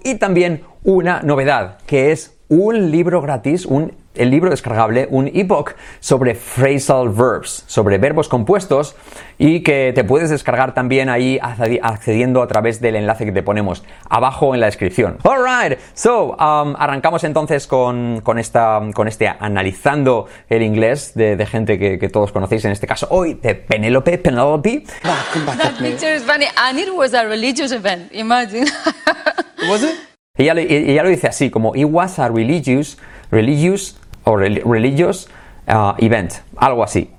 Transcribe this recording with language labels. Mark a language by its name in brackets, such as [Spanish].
[Spanish] Y también una novedad, que es un libro gratis, el libro descargable, un ebook sobre phrasal verbs, sobre verbos compuestos, y que te puedes descargar también ahí accediendo a través del enlace que te ponemos abajo en la descripción. [English] All right, so [Spanish] arrancamos entonces con este analizando el inglés de gente que todos conocéis, en este caso hoy de Penélope. [English] That picture is funny, and it was a religious event. Imagine. Was it? [Spanish] Ella lo dice así, como [English] it was a religious event, [Spanish] algo así.